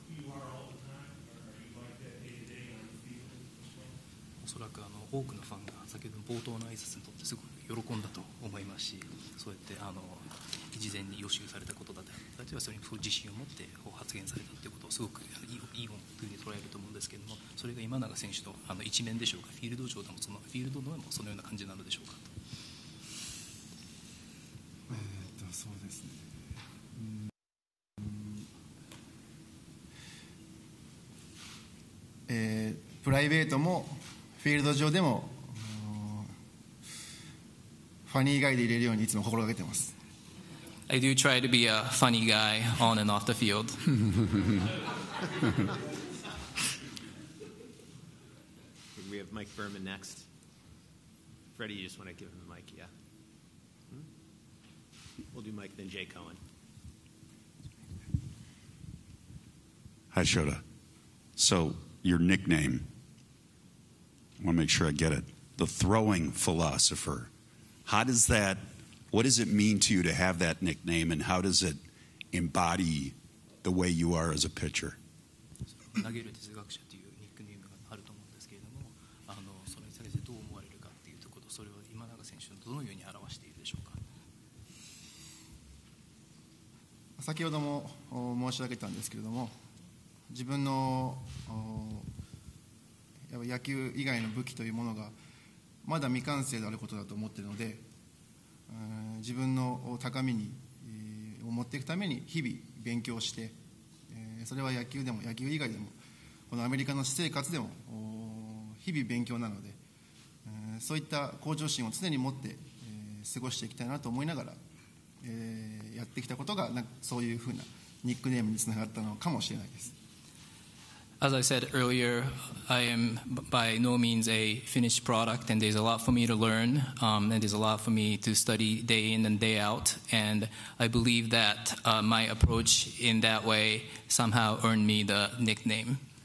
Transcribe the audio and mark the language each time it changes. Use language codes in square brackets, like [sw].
[en] Are all the time, or are you like that day to day? [ja] そらくあの多くのファンが先ほどの冒頭の挨拶にとってすごく喜んだと思いますし、そうやってあの事前に予習されたことだったり、それにそう自信を持ってこう発言されたということをすごくいいというふうに捉えると思うんですけれども、それが今永選手 の一面でしょうか、フィールド上でもそのフィールドの上もそのような感じなのでしょうか。そうですね、プライベートもフィールド上でもファニーガイでいれるようにいつも心がけています。 [en] I do try to be a funny guy on and off the field. We have Mike Berman next. Freddie, you just want to give him the mic, yeah? We'll do Mike, then Jay Cohen. Hi, Shota. So, your nickname, I want to make sure I get it, the throwing philosopher. How does that... What does it mean to you to have that nickname, and how does it embody the way you are as a pitcher? [ja] 投げる哲学者というニックネームがあると思うんですけれども、あのそれに対してどう思われるかっていうところ、それを今永選手のどのように表しているでしょうか。先ほども申し上げたんですけれども、自分の野球以外の武器というものがまだ未完成であることだと思っているので。自分の高みに、を持っていくために日々勉強して、それは野球でも野球以外でもこのアメリカの私生活でも日々勉強なので、そういった向上心を常に持って、過ごしていきたいなと思いながら、やってきたことがそういうふうなニックネームにつながったのかもしれないです。 [en] As I said earlier, I am by no means a finished product, and there's a lot for me to learn, and there's a lot for me to study day in and day out, and I believe that my approach in that way somehow earned me the nickname.